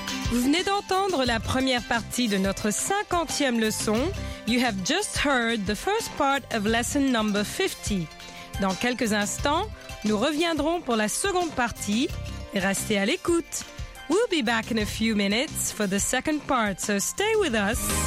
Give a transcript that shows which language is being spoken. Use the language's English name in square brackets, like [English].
[French] Vous venez d'entendre la première partie de notre 50e leçon. [English] You have just heard the first part of lesson number 50. [French] Dans quelques instants, nous reviendrons pour la seconde partie. Restez à l'écoute. [English] We'll be back in a few minutes for the second part, so stay with us.